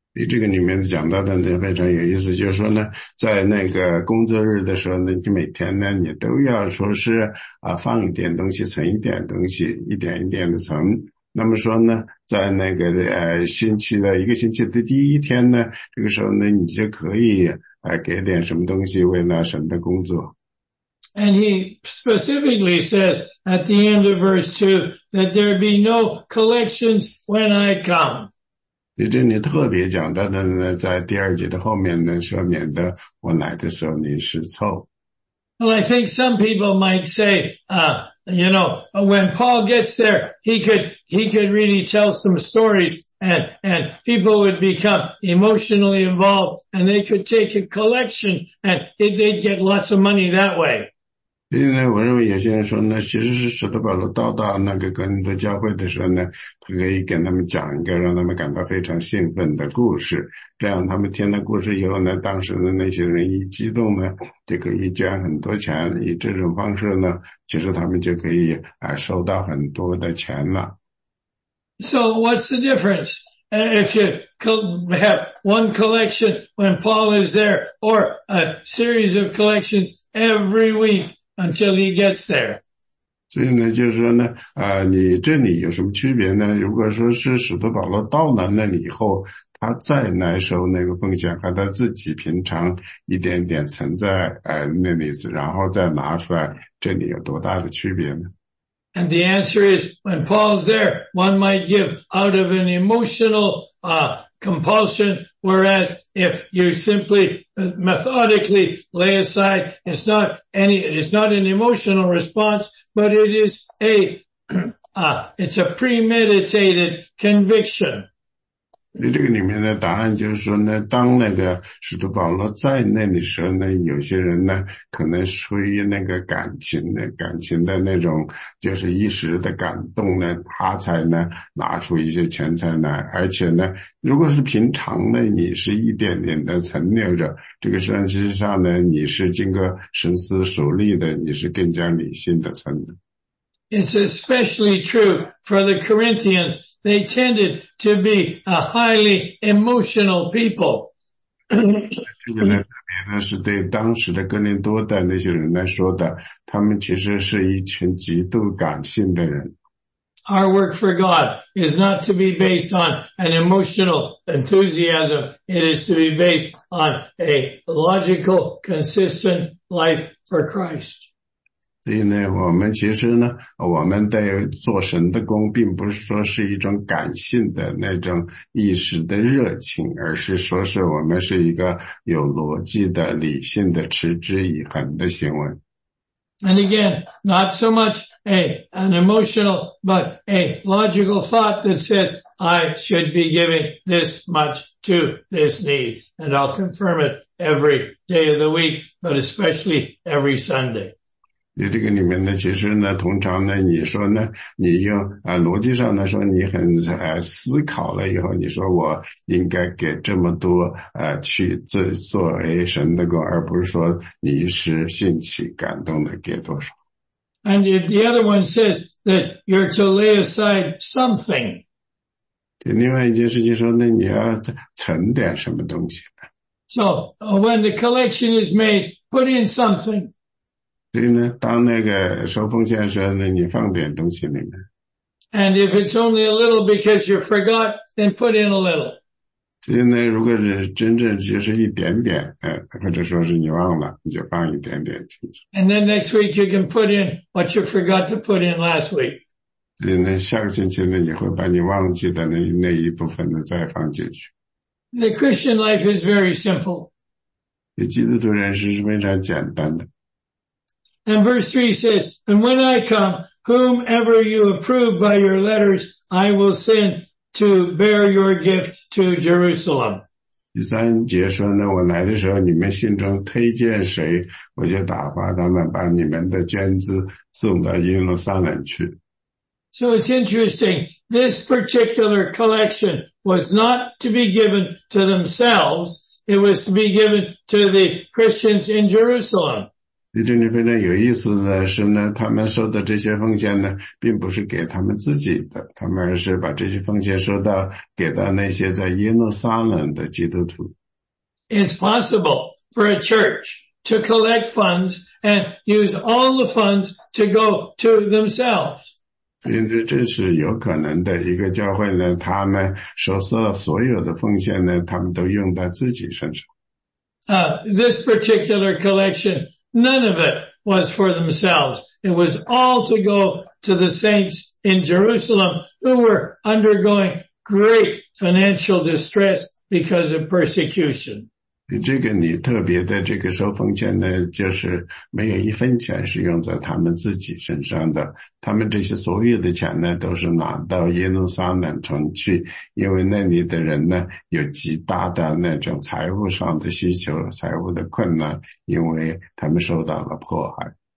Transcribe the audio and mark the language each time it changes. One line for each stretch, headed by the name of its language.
Chinese: 这个里面讲到的呢非常有意思，就是说呢，在那个工作日的时候呢，你每天呢，你都要说是放一点东西，存一点东西，一点一点的存。那么说呢，在那个星期的一个星期的第一天呢，这个时候呢，你就可以给点什么东西为了神的工作。
English: And he specifically says at the end of verse 2 that there be no collections when I come.
Chinese: 你这里特别讲到的呢，在第二节的后面呢，说免得我来的时候你失凑。
English: Well, I think some people might say, when Paul gets there, he could really tell some stories and people would become emotionally involved and they could take a collection and they'd get lots of money that way.
Chinese: 所以呢，我认为有些人说呢，其实是使徒保罗到达那个哥林多教会的时候呢，他可以跟他们讲一个让他们感到非常兴奋的故事，这样他们听了故事以后呢，当时的那些人一激动呢，就可以捐很多钱，以这种方式呢，其实他们就可以收到很多的钱了。
English: So what's the difference if you have one collection when Paul is there, or a series of collections every week? Until he gets there.
Chinese: 所以呢就是说呢你这里有什么区别呢，如果说是使徒保罗到了那里以后他再来收那个奉献和他自己平常一点点存在那里然后再拿出来，这里有多大的区别呢？
English: And the answer is, when Paul's there, one might give out of an emotional compulsion, whereas if you simply methodically lay aside, it's not an emotional response, but it is it's a premeditated conviction.
Chinese: 这个里面的答案就是说呢，当那个使徒保罗在那里时候呢，有些人呢可能出于那个感情的那种就是一时的感动呢，他才呢拿出一些钱财来。而且呢，如果是平常呢，你是一点点的存留着，这个实际上呢，你是经过深思熟虑的，你是更加理性的存的。
English: It's especially true for the Corinthians. They tended to be a highly emotional people.
Chinese: 这个呢，特别呢是对当时的哥林多的那些人来说的，他们其实是一群极度感性的人。
English: Our work for God is not to be based on an emotional enthusiasm. It is to be based on a logical, consistent life for Christ.
Chinese: 所以呢，我们其实呢，我们在做神的工，并不是说是一种感性的那种意识的热情，而是说是我们是一个有逻辑的、理性的、持之以恒的行为。
English: And again, not so much an emotional, but a logical thought that says, I should be giving this much to this need, and I'll confirm it every day of the week, but especially every Sunday.
Chinese: 你这个里面呢，其实呢，通常呢，你说呢，你用逻辑上呢说，你很思考了以后，你说我应该给这么多去作为神的工，而不是说你一时兴起感动的给多少。
English: And the other one says that you're to lay aside something.
Chinese: 另外一件事情说呢，你要存点什么东西。
English: So when the collection is made, put in something.
Chinese: 所以呢，当那个收奉献的时候呢，你放点东西里面。
English: And if it's only a little because you forgot, then put in a little.
Chinese: 所以呢，如果是真正就是一点点，或者说是你忘了，你就放一点点进去。
English: And then next week you can put in what you forgot to put in last week.
Chinese: 所以呢，下个星期呢，你会把你忘记的那一部分呢再放进去。
English: The Christian life is very simple.
Chinese: 基督徒人是非常简单的。
English: And verse 3 says, And when I come, whomever you approve by your letters, I will send to bear your gift to Jerusalem.
Chinese: 第三节说呢，我来的时候，你们心中推荐谁，我就打发他们把你们的捐资送到耶路撒冷去。
English: So it's interesting. This particular collection was not to be given to themselves. It was to be given to the Christians in Jerusalem.
Chinese: 你这里非常有意思的是呢，他们收的这些奉献呢，并不是给他们自己的，他们而是把这些奉献收到给到那些在耶路撒冷的基督徒。
English: It's possible for a church to collect funds and use all the funds to go to themselves.
Chinese: 这是有可能的，一个教会呢，他们收到所有的奉献呢，他们都用在自己身上。
English: This particular collection. None of it was for themselves. It was all to go to the saints in Jerusalem who were undergoing great financial distress because of persecution.
Chinese: 这个你特别的这个收奉献呢，就是没有一分钱是用在他们自己身上的。他们这些所有的钱呢，都是拿到耶路撒冷城去，因为那里的人呢，有极大的那种财务上的需求，财务的困难，因为他们受到了迫害。